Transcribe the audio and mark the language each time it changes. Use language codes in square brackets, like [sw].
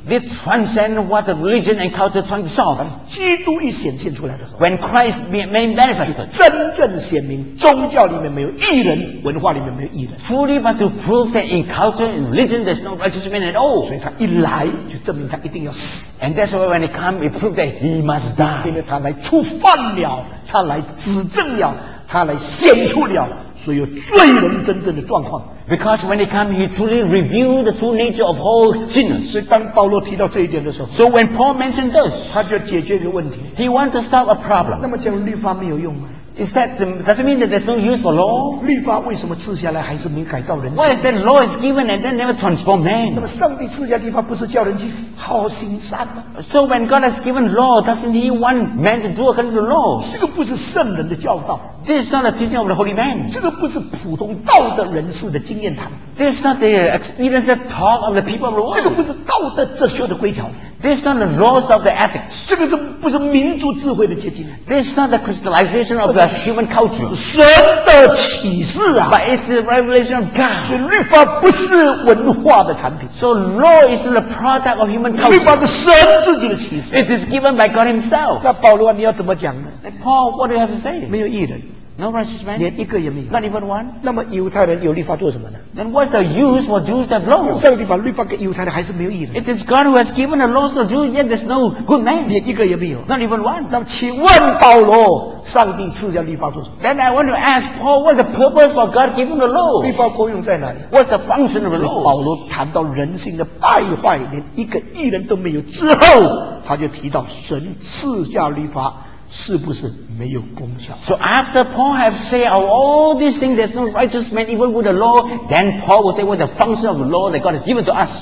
[en] The transcend what the religion and culture trying to solve. [zh] 基督一显现出来的时候 [en] ，When Christ made manifest， [zh] 真正显明宗教里面没有义人，文化里面没有义人。 [en] Fully but to prove that in culture and religion there's no righteous man at all。 [zh] 所以他一来就证明他一定要死。 [en] And that's why when he come, he proved that he must die。 [zh] 因为他来触犯了，他来指证了，他来显出了。所以罪人真正的状况 [en] because when he come he truly revealed the true nature of all sinners [zh] 所以当保罗提到这一点的时候 [en] so when Paul mentioned this [zh] 他就解决一个问题 [en] he wanted to solve a problem [zh] 那么讲律法没有用吗 [en] is that does it mean that there's no use for law [zh] 律法为什么赐下来还是没改造人 [en] why is that law is given and then never transform man [zh] 那么上帝赐下律法不是叫人去好好行善吗 [en] so when God has given law doesn't he want man to do according to law [zh] 这个不是圣人的教导 [en] This is not the teaching of the holy man. [zh] 这个不是普通道德人士的经验谈。 [en] This is not the experience talk of the people of the world. [zh] 这个不是道德哲学的规条。 [en] This is not the laws of the ethics. [zh] 这个是不是民族智慧的结晶。 [en] This is not the crystallization of the human culture. [zh] 神的启示啊。 [en] But it's the revelation of God. [zh] 所以律法不是文化的产品。 [en] So law is the product of human culture. [zh] 律法是神自己的启示。 [en] It is given by God himself. [zh] 那保罗你要怎么讲呢？ [en] Paul, what do you have to say? [zh] 没有义人 [en] No righteous man? [zh] 连一个也没有 [en] Not even one? [zh] 那么犹太人有律法做什么呢 [en] Then what's the use for Jews that law? [zh] 上帝把律法给犹太人还是没有义人 [en] It is God who has given the laws to Jews yet there's no good man [zh] 连一个也没有 [en] Not even one? [zh] 那么请问保罗上帝赐下律法做什么 [en] Then I want to ask Paul what's the purpose for God giving the law? [zh] 律法功用在哪里 [en] What's the function of the law? [zh] 保罗谈到人性的败坏连一个义人都没有之后他就提到神赐下律法是不是没有功效 [en] So after Paul have said of all these things there's no righteous man even with the law then Paul will say what the function of the law that God has given to us